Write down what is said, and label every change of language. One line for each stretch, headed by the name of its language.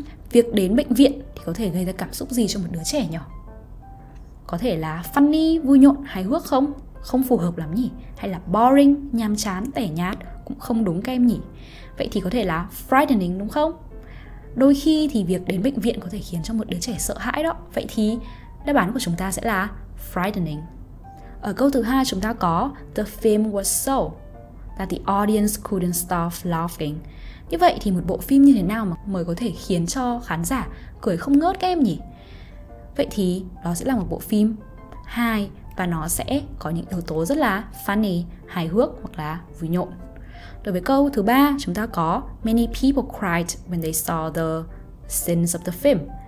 Vietnamese: Việc đến bệnh viện thì có thể gây ra cảm xúc gì cho một đứa trẻ nhỉ? Có thể là funny, vui nhộn, hài hước không? Không phù hợp lắm nhỉ? Hay là boring, nhàm chán, tẻ nhạt? Cũng không đúng các em nhỉ? Vậy thì có thể là frightening đúng không? Đôi khi thì việc đến bệnh viện có thể khiến cho một đứa trẻ sợ hãi đó. Vậy thì đáp án của chúng ta sẽ là frightening. Ở câu thứ hai chúng ta có
English: the film was so that the audience couldn't stop laughing.
Vietnamese: Như vậy thì một bộ phim như thế nào mà mới có thể khiến cho khán giả cười không ngớt các em nhỉ? Vậy thì đó sẽ là một bộ phim hài và nó sẽ có những yếu tố rất là funny, hài hước hoặc là vui nhộn. Đối với câu thứ ba chúng ta có
English: many people cried when they saw the scenes of the film.